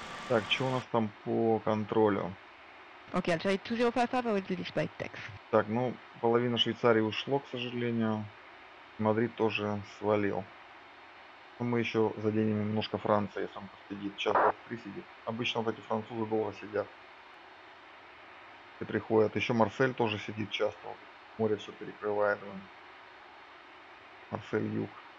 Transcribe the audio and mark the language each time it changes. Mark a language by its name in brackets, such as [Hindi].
[Russian] Так, что у нас там по контролю? [English] Okay, I'll try 2055, I will do this by text. [Russian] Так, ну, половина Швейцарии ушло, к сожалению. Мадрид тоже свалил. Но мы еще заденем немножко Франции, если он посидит. Сейчас он присидит. Обычно вот эти французы долго сидят. И приходят. Еще Марсель тоже сидит часто. Море все перекрывает. Марсель юг.